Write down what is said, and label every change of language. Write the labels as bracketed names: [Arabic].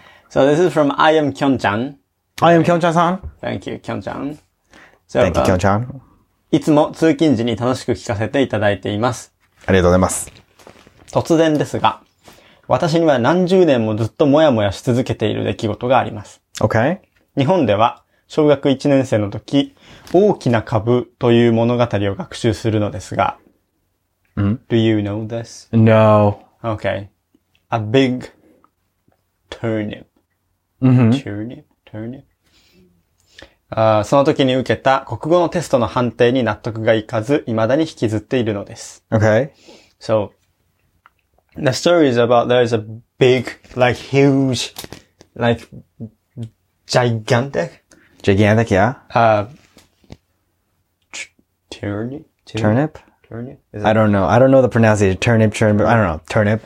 [English] So this is from I am Kyun-chan. I am Kyun-chan-san. Thank you, Kyun-chan. So, thank you, Kyun-chan. [Japanese] いつも通勤時に楽しく聞かせていただいています。ありがとうございます。突然ですが、私には何十年もずっとモヤモヤし続けている出来事があります。 [English] Okay. [Japanese] 日本では小学1年生の時、大きな株という物語を学習するのですが、ん? [English] Do you know this? No. Okay. A big turnip. Turnip? Turnip? [Japanese] その時に受けた国語のテストの判定に納得がいかず、未だに引きずっているのです。 [English] Okay. So, the story is about there's a big, like huge, like gigantic? Gigantic, yeah. Turnip? Turnip? I don't know. I don't know the pronunciation. Turnip. I don't know. Turnip.